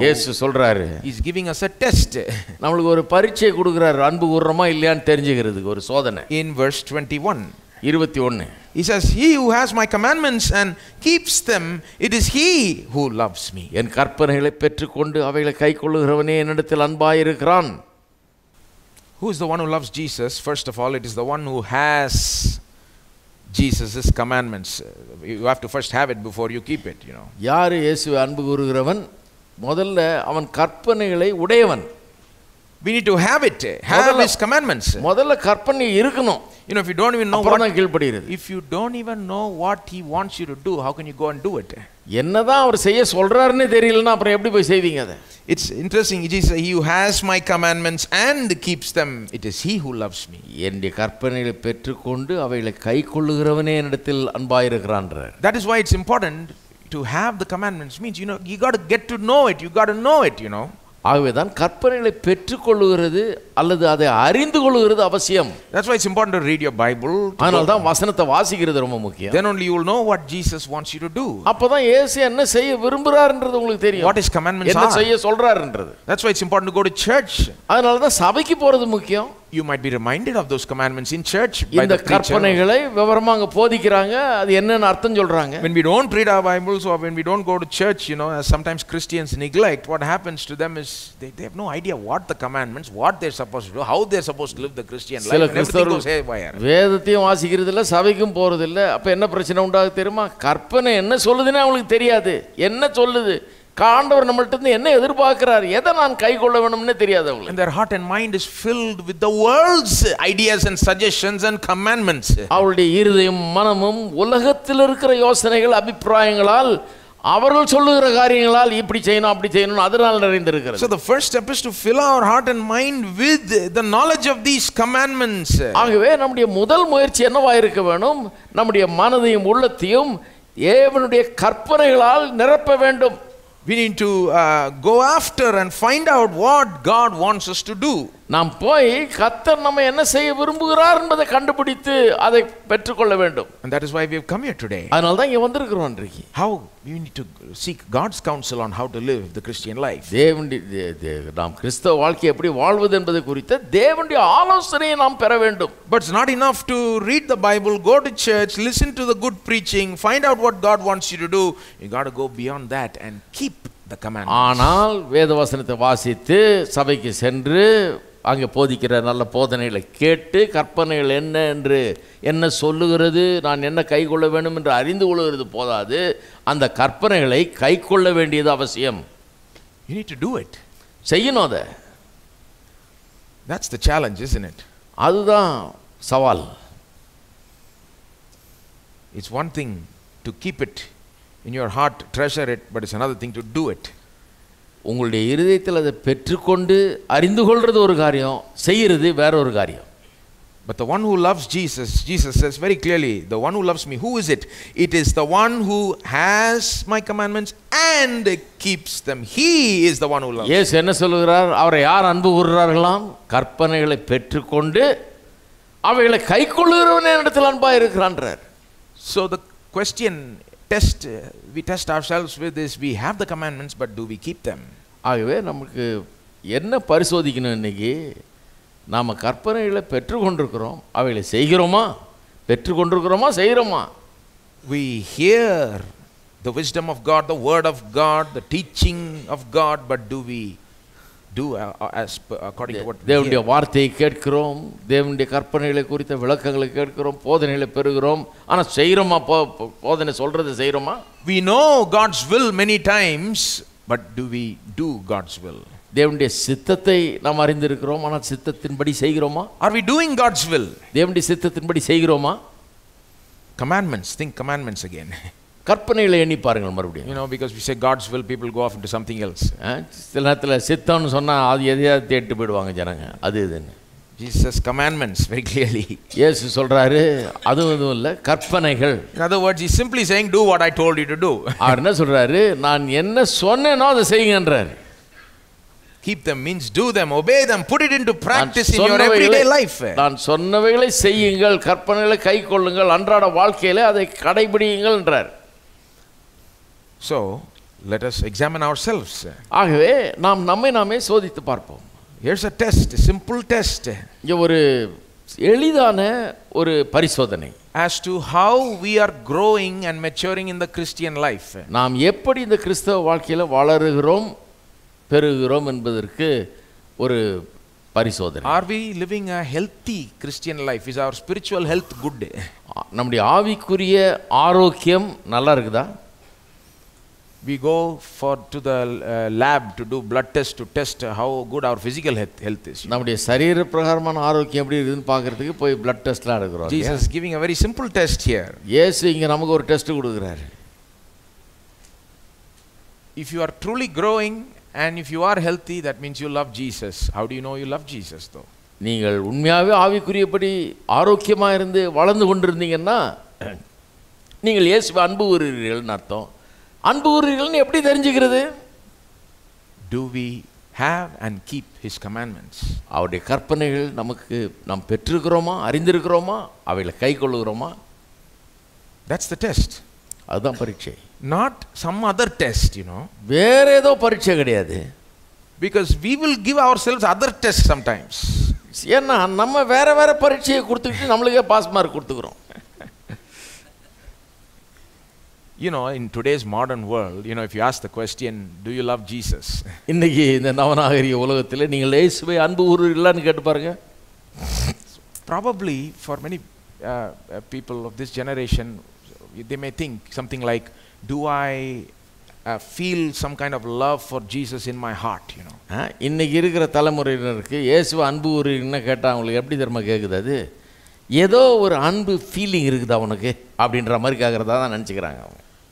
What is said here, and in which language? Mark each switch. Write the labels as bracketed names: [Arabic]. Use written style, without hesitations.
[Tamil] இயேசு சொல்றாரு. [English] He is giving us a test. [Tamil] நமக்கு ஒரு பரீட்சை கொடுக்கிறார், அன்பு கூறுறோமா இல்லையான்னு தெரிஞ்சுக்கிறதுக்கு ஒரு சோதனை. [English] In verse 21. 21. He says, he who has my commandments and keeps them, it is he who loves me. [Tamil] என் கற்பனைகளை பெற்றுக்கொண்டு அவைகளை கைக்கொள்ளுகிறவனே என்னிடத்தில் அன்பாய் இருக்கிறான். [English] Who is the one who loves Jesus? First of all, it is the one who has Jesus's commandments. You have to first have it before you keep it, you know. [Tamil] யார் இயேசு அன்பு கூறுகிறவன்? முதல்ல அவன் கற்பனைகளை உடையவன். [English] We need to have it. Have his commandments. [Tamil] முதல்ல கற்பனை இருக்கணும். [English] You know, if you don't even know what [Tamil] கீழ்படுகிறது. [English] If you don't even know what he wants you to do, how can you go and do it? [Tamil] என்னதான் அவர் செய்ய சொல்றாருன்னு தெரியலனா அப்புறம் எப்படி போய் செய்வீங்க அதை? [English] It's interesting. Jesus, he has my commandments and keeps them. It is he who loves me. [Tamil] என்னுடைய கற்பனைகளை பெற்றுக்கொண்டு அவைகளை கை கொள்ளுகிறவனே என்னிடத்தில் அன்பாய் இருக்கிறான். [English] That is why it's important to have the commandments. Means, you know, you got to get to know it. You got to know it, you know. [Tamil] ஆகவேதான் கற்பனைகளை பெற்றுக்கொள்ளுகிறது அல்லது அதை அறிந்து கொள்ளுகிறது அவசியம். [English] That's why it's important to read your Bible. [Tamil] அதனால தான் வசனத்தை வாசிக்கிறது ரொம்ப முக்கியம். [English] Then only you will know what Jesus wants you to do. [Tamil] அப்பதான் இயேசு என்ன செய்ய விரும்புறாருன்றது உங்களுக்கு தெரியும். [English] What his commandments [Tamil] என்ன செய்ய சொல்றாருன்றது. [English] That's why it's important to go to church. [Tamil] அதனால தான் சபைக்கு போறது முக்கியம். [English] You might be reminded of those commandments in church by the preacher. [Tamil] இந்த கற்பனைகளை விவரமா அங்க போதிக்கறாங்க, அது என்னன்னு அர்த்தம் சொல்றாங்க. [English] When we don't read our Bibles or when we don't go to church, you know, as sometimes Christians neglect, what happens to them is they have no idea what the commandments, what they're supposed to do, how they're supposed to live the Christian life. Everything goes haywire. [Tamil] வேதத்தையும் வாசிக்கிறது இல்ல, சபைக்கும் போறது இல்ல. அப்ப என்ன பிரச்சனை உண்டாகு தெரியுமா? கற்பனை என்ன சொல்லுதுன்னு அவங்களுக்கு தெரியாது. என்ன சொல்லுது? ஆண்டவர் நம்மள்கிட்ட இருந்து என்ன எதிர்பார்க்கிறார், எதை நான் கை கொள்ள வேணும்னே தெரியாது அவங்களுக்கு. [English] And their heart and mind is filled with the world's ideas and suggestions and commandments. [Tamil] அவருடைய இருதயம் மனமும் உலகத்தில் இருக்கிற யோசனைகள் அபிப்பிராயங்களால் அவர்கள் சொல்லுகிற காரியங்களால் இப்படி செய்யணும் அப்படி செய்யணும் அதனால் நிறைந்திருக்கிறது. [English] So the first step is to fill our heart and mind with the knowledge of these commandments. [Tamil] ஆகவே நம்முடைய முதல் முயற்சி என்னவாயிருக்க வேண்டும்? நம்முடைய மனதையும் உள்ளத்தையும் தேவனுடைய கற்பனைகளால் நிரப்ப வேண்டும். [English] We need to go after and find out what God wants us to do. [Tamil] நாம் போய் கர்த்தர் நம்மை என்ன செய்ய விரும்புகிறார் என்பதை கண்டுபிடித்து அதை பெற்றுக்கொள்ள வேண்டும். [English] And that is why we have come here today. [Tamil] அதனால தான் இங்க வந்திருக்கிறோம். [English] How we need to seek God's counsel on how to live the Christian life. [Tamil] தேவனுடைய நாம் கிறிஸ்தவ வாழ்க்கை எப்படி வாழ்வது என்பது குறித்து தேவனுடைய ஆலோசனையை நாம் பெற வேண்டும். [English] But it's not enough to read the Bible, go to church, listen to the good preaching, find out what God wants you to do. You got to go beyond that and keep the commandments. [Tamil] ஆனால் வேதவசனத்தை வாசித்து சபைக்கு சென்று அங்கே போதிக்கிற நல்ல போதனைகளை கேட்டு கற்பனைகள் என்ன என்று என்ன சொல்லுகிறது நான் என்ன கை கொள்ள வேண்டும் என்று அறிந்து கொள்கிறது போதாது. அந்த கற்பனைகளை கை கொள்ள வேண்டியது அவசியம். [English] You need to do it. [Tamil] செய்யணும் அத. [English] That's the challenge, isn't it? [Tamil] அதுதான் சவால். [English] It's one thing to keep it in your heart, treasure it, but it's another thing to do it. [Tamil] உங்களுடைய இருதயத்தில் அதை பெற்றுக்கொண்டு அறிந்து கொள்வது ஒரு காரியம், செய்கிறது வேற ஒரு காரியம். [English] But the one who loves Jesus, Jesus says very clearly, the one who loves me, who is it? It is the one who has my commandments and keeps them. He is the one who loves. [Tamil] Yes, என்ன சொல்கிறார்? அவரை யார் அன்பு கூறுகிறார்களாம்? கற்பனைகளை பெற்றுக்கொண்டு அவைகளை கை கொள்ளுகிறவனே இடத்தில் அன்பாக இருக்கிறான்றார். [English] So the question test, we test ourselves with this, we have the commandments, but do we keep them? [Tamil] ஆகவே நமக்கு என்ன பரிசோதிக்கணும்? இன்னைக்கு நாம கற்பனைகளை பெற்றுக்கொண்டிருக்கிறோம், அவைகளை செய்கிறோமா? பெற்றுக்கொண்டிருக்கிறோமா, செய்கிறோமா? [English] We hear the wisdom of God, the word of God, the teaching of God, but do we do as according to what [Tamil] தேவனுடைய வார்த்தையை கேட்கிறோம், தேவனுடைய கற்பனைகளை குறித்த விளக்கங்களை கேட்கிறோம், போதனைகளை பெறுகிறோம், ஆனால் செய்கிறோமா? போதனை சொல்றதை செய்கிறோமா? [English] We know God's will many times, but do we do God's will? [Tamil] தேவனுடைய சித்தத்தை நாம் அறிந்திருக்கிறோம், ஆனால் சித்தத்தின்படி செய்கிறோமா? [English] Are we doing God's will? [Tamil] தேவனுடைய சித்தத்தின்படி செய்கிறோமா? [English] Commandments, think commandments again. [Tamil] கற்பனைகளை எண்ணி பாருங்கள் மறுபடியும். [English] You know, because we say God's will, people go off into something else. [Tamil] சில நேரத்தில் சித்தம்னு சொன்னால் அது எதையாவது தேட்டு போயிடுவாங்க ஜனங்க. அது இதுன்னு [English] Jesus commandments very clearly. [Tamil] இயேசு சொல்கிறாரு, அதுவும் எதுவும் இல்லை, கற்பனைகள். [English] In other words, he's simply saying, do what I told you to do. [Tamil] அவர் என்ன சொல்கிறாரு? நான் என்ன சொன்னேனோ அதை செய்யுங்கன்றார். [English] Keep them means do them, obey them, put it into practice in your everyday life. [Tamil] நான் சொன்னவைகளை செய்யுங்கள், கற்பனைகளை கை கொள்ளுங்கள், அன்றாட வாழ்க்கையிலே அதை கடைபிடிங்கள்ன்றார். [English] So let us examine ourselves. [Tamil] ஆகவே நாம் நம்மை நாமே சோதித்து பார்ப்போம். [English] Here's a test, a simple test. [Tamil] இது ஒரு எளிதான ஒரு பரிசோதனை. [English] As to how we are growing and maturing in the Christian life. [Tamil] நாம் எப்படி இந்த கிறிஸ்தவ வாழ்க்கையில வளருகிறோம், பெருகிறோம் என்பதற்கு ஒரு பரிசோதனை. [English] Are we living a healthy Christian life? Is our spiritual health good? [Tamil] நம்முடைய ஆவிக்குரிய ஆரோக்கியம் நல்லா இருக்குதா? [English] We go for to the lab to do blood test to test how good our physical health is. [Tamil] நம்முடைய சரீர பிரகாரமான ஆரோக்கியம் எப்படி இருக்குன்னு பார்க்கிறதுக்கு போய் blood test எல்லாம் எடுக்கிறோம். [English] Jesus giving a very simple test here. [Tamil] இயேசு இங்க நமக்கு ஒரு டெஸ்ட் கொடுக்கிறார். [English] If you are truly growing and if you are healthy, that means you love Jesus. How do you know you love Jesus though? [Tamil] நீங்கள் உண்மையாவே ஆவிக்குரியபடி ஆரோக்கியமா இருந்து வளர்ந்து கொண்டிருந்தீங்கன்னா நீங்கள் இயேசுவை அன்பு கூறுகிறீர்கள்னு அர்த்தம். அன்புகூறுகிறீர்கள்னு எப்படி தெரிஞ்சுக்கிறது? [English] Do we have and keep his commandments? [Tamil] அவருடைய கற்பனைகள் நமக்கு நாம் பெற்றிருக்கிறோமா, அறிந்திருக்கிறோமா, அவைகளை கை கொள்ளுகிறோமா? [English] That's the test. [Tamil] அதுதான் பரீட்சை. [English] Not some other test, you know. [Tamil] வேற ஏதோ பரீட்சை கிடையாது. [English] Because we will give ourselves other tests sometimes. [Tamil] ஏன்னா நம்ம வேற வேற பரீட்சையை கொடுத்துக்கிட்டு நம்மளுக்கே pass mark கொடுத்துக்கிறோம். [English] You know, in today's modern world, you know, if you ask the question, do you love Jesus? [Tamil] இன்னைக்கு இந்த நவநாகரிக உலகத்துல நீங்க இயேசுவை அன்பு கூறுறீங்களான்னு கேட்டு பாருங்க. [English] Probably for many people of this generation, they may think something like, do I feel some kind of love for Jesus in my heart, you know? [Tamil] இன்னைக்கு இருக்கிற தலைமுறையினருக்கு இயேசுவை அன்பு கூறுறீங்கன்னு கேட்டா உங்களுக்கு எப்படி தெரியுமா கேக்குது? அது ஏதோ ஒரு அன்பு ஃபீலிங் இருக்குது அவனுக்கு அப்படின்ற மாதிரி கேட்குறதா தான் நினச்சிக்கிறாங்க அவங்க.